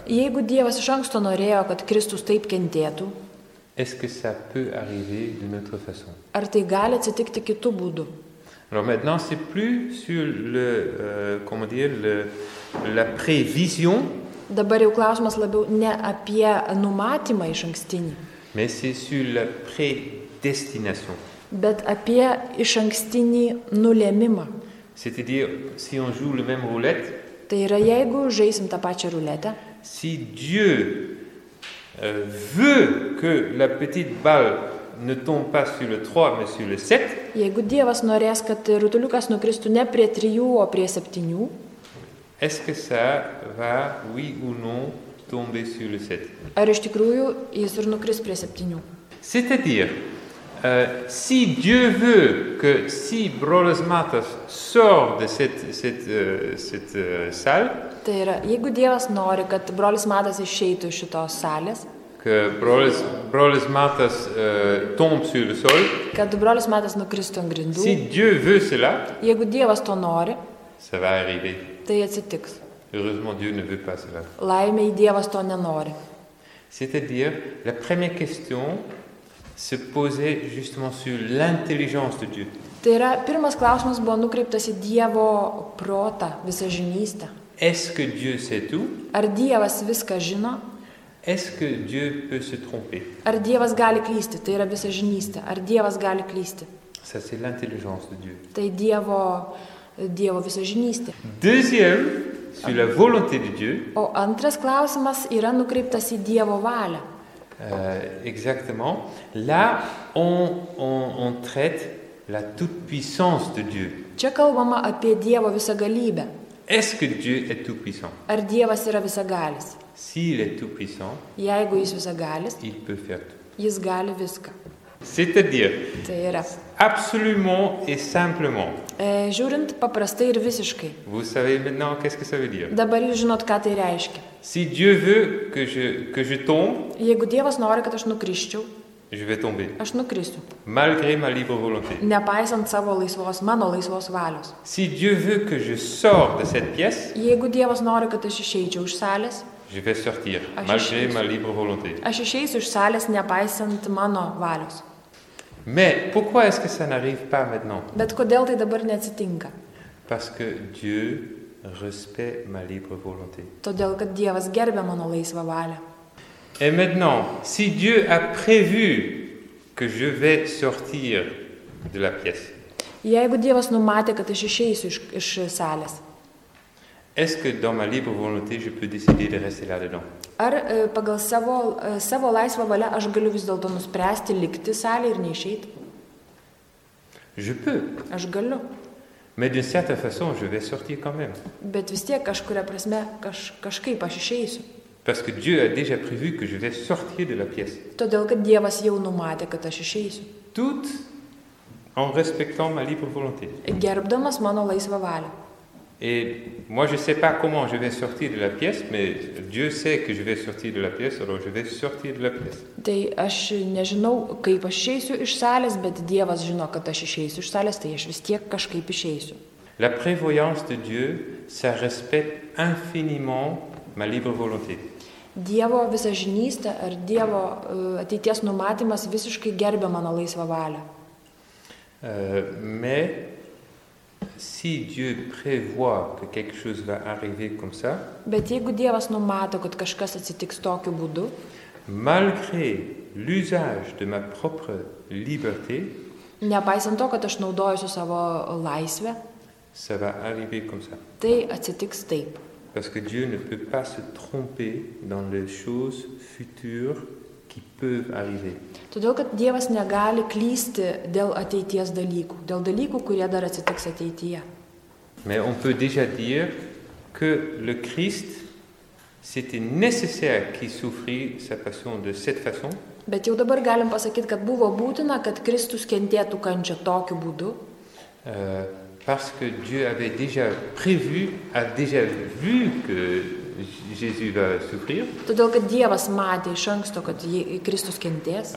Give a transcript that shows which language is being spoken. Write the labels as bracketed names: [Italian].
[Lithuanian] jeigu Dievas iš anksto norėjo, kad Kristus taip kentėtų, [French] est-ce que ça peut arriver d'une autre façon? [Lithuanian] Ar tai gali atsitikti kitu būdu? [French] Alors maintenant, c'est plus sur le, comment dire, la prévision. [Lithuanian] Dabar jau klausimas labiau ne apie numatymą iš ankstinį. [French] Mais c'est sur la prédestination. [Lithuanian] Bet apie iš ankstinį nulėmimą. [French] C'est-à-dire, si on joue le même roulette. [Lithuanian] Tai yra, jeigu žaisim tą pačią ruletę. [French] Si Dieu veut que la petite balle ne tombe pas sur le 3 mais sur le 7. [Lithuanian] Jeigu Dievas norės, kad rutuliukas nukristų ne prie 3, o prie 7. [French] Est-ce que ça va oui ou non tomber sur le 7? [Lithuanian] Ar iš tikrųjų jis ir nukris prie 7? [French] C'est-à-dire si Dieu veut que si Brolis Matas sort de cette salle. [Lithuanian] Tai yra, jeigu Dievas nori, kad Brolis Matas išeitų iš šitos salės. [French] Que Brolis Matas tombe sur le sol. [Lithuanian] Kad Brolis Matas nukristų ant grindų. [French] Si Dieu veut cela. [Lithuanian] Jeigu Dievas to nori. [French] Ça va arriver. [Lithuanian] Tai atsitiks. [French] Heureusement, Dieu ne veut pas cela. [Lithuanian] Laimei, Dievas to nenori. [French] C'est-à-dire, la première question se posait justement sur l'intelligence de Dieu. [Lithuanian] Tai yra, pirmas klausimas buvo nukreiptas į Dievo protą, visažinystę. [French] Est-ce que Dieu sait tout? [Lithuanian] Ar Dievas viską žino? [French] Est-ce que Dieu peut se tromper? [Lithuanian] Ar Dievas gali klysti? Tai yra visažinystė. Ar Dievas gali klysti? [French] Ça, c'est l'intelligence de Dieu. [Lithuanian] Tai Dievo visažinystė. [French] Deuxième, sur la volonté de Dieu. [Lithuanian] O antras klausimas yra nukreiptas į Dievo valią. [French] Exactement. Là, on traite la toute-puissance de Dieu. [Lithuanian] Čia kalbama apie Dievo visagalybę. [French] Est-ce que Dieu est tout-puissant? [Lithuanian] Ar Dievas yra visagalis? [French] S'il est tout-puissant, [Lithuanian] jeigu jis visagalis, [French] il peut faire tout. [Lithuanian] Jis gali viską. [French] C'est-à-dire, [Lithuanian] tai yra, [French] absolument et simplement. [Lithuanian] Žiūrint paprastai ir visiškai. [French] Vous savez maintenant qu'est-ce que ça veut dire? [Lithuanian] Dabar jūs žinot, ką tai reiškia. [French] Si Dieu veut que je tombe, [Lithuanian] jeigu Dievas nori, kad aš nukriščiau, [French] je vais tomber. [Lithuanian] Aš nukrisiu. [French] Malgré ma libre volonté. [Lithuanian] Nepaisant savo laisvos, mano laisvos valios. [French] Si Dieu veut que je sors de cette pièce, [Lithuanian] jeigu Dievas nori, kad aš išeičiau iš salės, [French] je vais sortir, malgré ma libre volonté. [Lithuanian] Aš išeisiu iš salės, nepaisant mano valios. [French] Mais pourquoi est-ce que ça n'arrive pas maintenant? [Lithuanian] Bet kodėl tai dabar neatsitinka? [French] Parce que Dieu respecte ma libre volonté. [Lithuanian] Todėl, kad Dievas gerbia mano laisvą valią. [French] Et maintenant, si Dieu a prévu que je vais sortir de la pièce. [Lithuanian] Jeigu Dievas numatė, kad aš išeisiu iš salės. [French] Est-ce que dans ma libre volonté, je peux décider de rester là-dedans? [Lithuanian] Ar pagal savo laisvą valią aš galiu vis dėlto nuspręsti likti salėje ir neišeiti? [French] Je peux. [Lithuanian] Aš galiu. [French] Mais d'une certaine façon, je vais sortir quand même. [Lithuanian] Bet vis tiek kažkuria prasme kažkaip aš išeisiu. [French] Parce que Dieu a déjà prévu que je vais sortir de la pièce. [Lithuanian] Todėl, kad Dievas jau numatė, kad aš išeisiu. [French] Tout en respectant ma libre volonté. [Lithuanian] Gerbdamas mano laisvą valią. [French] Et moi je sais pas comment je vais sortir de la pièce, mais Dieu sait que je vais sortir de la pièce, alors je vais sortir de la pièce. [Lithuanian] Tai aš nežinau, kaip aš išeisiu iš salės, bet Dievas žino, kad aš išeisiu iš salės, tai aš vis tiek kažkaip išeisiu. [French] La prévoyance de Dieu, ça respecte infiniment ma libre volonté. [Lithuanian] Dievo visažinystė ar Dievo ateities numatymas visiškai gerbia mano laisvą valią. [French] Mais si Dieu prévoit que quelque chose va arriver comme ça, [Lithuanian] bet jeigu Dievas numato, kad kažkas atsitiks tokiu būdu, [French] malgré l'usage de ma propre liberté, [Lithuanian] nepaisant to, kad aš naudojuosi savo laisvę, [French] ça va arriver comme ça. [Lithuanian] Tai atsitiks taip. [French] Parce que Dieu ne peut pas se tromper dans les choses futures qui peuvent arriver. [Lithuanian] Todėl, kad Dievas negali klysti dėl ateities dalykų, dėl dalykų, kurie dar atsitiks ateityje. [French] Mais on peut déjà dire que le Christ, c'était nécessaire qu'il souffre sa passion de cette façon. [Lithuanian] Bet jau dabar galim pasakyti, kad buvo būtina, kad Kristus kentėtų kančią tokiu būdu. [French] Parce que Dieu avait déjà prévu, a déjà vu que Jésus va souffrir. [Lithuanian] Todėl, kad Dievas matė iš anksto, kad Kristus kentės.